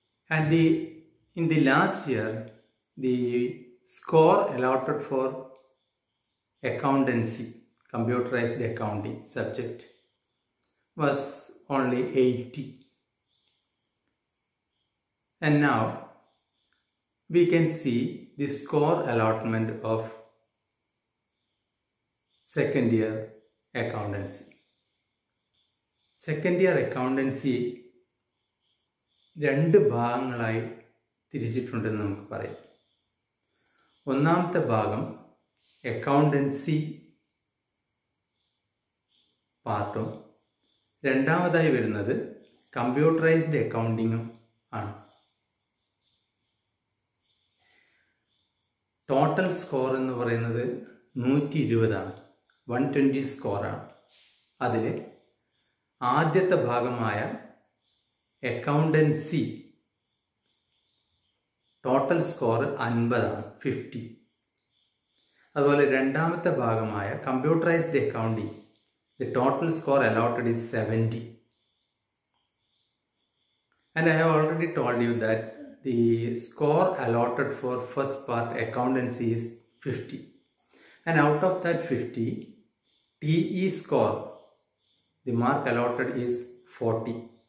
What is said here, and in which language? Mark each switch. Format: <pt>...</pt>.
<en>And in the last year, the score allotted for accountancy, computerized accounting subject, was only 80. And now we can see the score allotment of second year accountancy. Second year accountancy</en> <ml>രണ്ട് ഭാഗങ്ങളായി തിരിച്ചിട്ടുണ്ടെന്ന് നമുക്ക് പറയാം. ഒന്നാമത്തെ ഭാഗം accountancy പാർട്ടും രണ്ടാമതായി വരുന്നത് computerised അക്കൗണ്ടിങ്ങും ആണ്. ടോട്ടൽ സ്കോർ എന്ന് പറയുന്നത് 120 സ്കോറാണ്. അതിൽ ആദ്യത്തെ ഭാഗമായ അക്കൗണ്ടൻസി ടോട്ടൽ സ്കോർ 50. അതുപോലെ രണ്ടാമത്തെ ഭാഗമായ computerised accounting</ml> <en>The total score allotted is 70. And I have already told you that the score allotted for first part accountancy is 50. And out of that 50, TE score, the mark allotted is 40.</en>